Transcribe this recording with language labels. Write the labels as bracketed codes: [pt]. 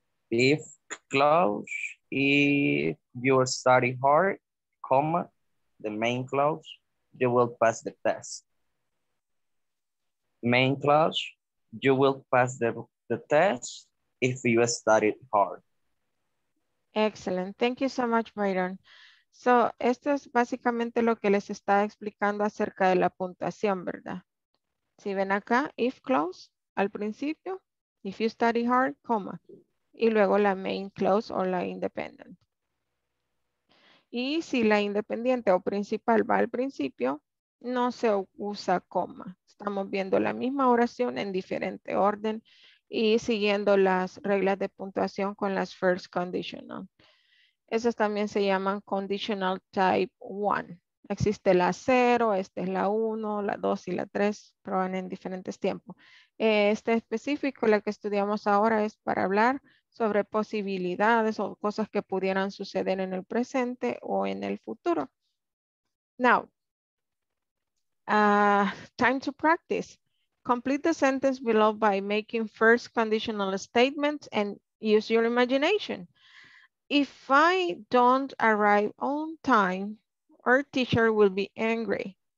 [en] If clause, if you study hard, comma, the main clause, you will pass the test. Main clause, you will pass the test if you studied hard. Excellent. Thank you so much, Byron. [es] So, esto es básicamente lo que les está explicando acerca de la puntuación, ¿verdad? Si ven acá, if clause, al principio, [en] if you study hard, [es] comma, y luego la main clause o la independent. Y si la independiente o principal va al principio, no se usa coma. Estamos viendo la misma oración en diferente orden y siguiendo las reglas de puntuación con las first conditional. Esas también se llaman conditional type 1. Existe la 0, esta es la 1, la 2 y la 3, provienen en diferentes tiempos. Este específico, la que estudiamos ahora, es para hablar sobre posibilidades o cosas que pudieran suceder en el presente o en el futuro. [en] Now, time to practice. Complete the sentence below by making first conditional statements and use your imagination. If I don't arrive on time, our teacher will be angry.